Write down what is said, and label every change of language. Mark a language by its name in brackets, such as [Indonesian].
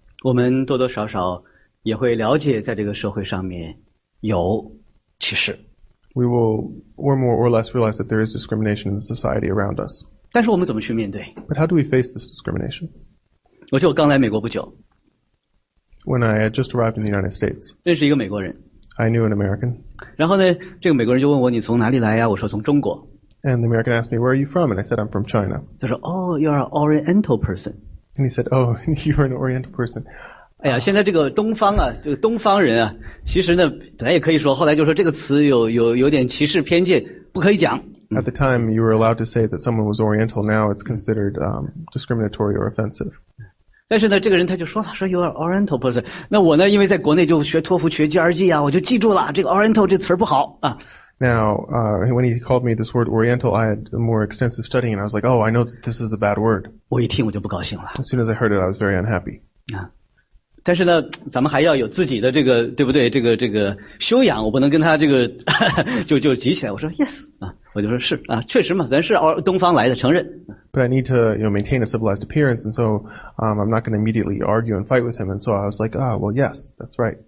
[Chinese] 我们多多少少也会了解在这个社会上面有歧视。 [English] We will more or less realize that there is discrimination in the society around us. [Chinese] 但是我们怎么去面对？ [English] But how do we face this discrimination? [Chinese] 我就刚来美国不久。 [English] When I had just arrived in the United States. [Chinese] 认识一个美国人。 [English] I knew an American. [Chinese] 然后呢，这个美国人就问我你从哪里来呀？我说从中国。 [English] And the American asked me, where are you from? And I said, I'm from China. [Chinese] 他说 [English] Oh, you're an Oriental person. And he said, Oh, you're an Oriental person. [Chinese] 哎呀，现在这个东方啊，这个东方人啊，其实呢，本来也可以说，后来就说这个词有点歧视偏见，不可以讲。 [English] At the time, you were allowed to say that someone was Oriental. Now it's considered discriminatory or offensive. [Chinese] 但是呢，这个人他就说了，说 [English] you are Oriental person. [Chinese] 那我呢，因为在国内就学托福、学 GRE 啊，我就记住了这个 Oriental 这词不好啊。 [English] Now, when he called me this word Oriental, I had more extensive studying, and I was like, oh, I know that this is a bad word. [Chinese] 我一听我就不高兴了。 [English] As soon as I heard it, I was very unhappy. [Chinese] 啊，但是呢，咱们还要有自己的这个，对不对？这个修养，我不能跟他这个就急起来。我说 yes 啊。我就说是啊，确实嘛，咱是东方来的，承认。 [English] But I need to, you know, maintain a civilized appearance, and so, I'm not going to immediately argue and fight with him. And so I was like, ah, well, yes, that's right.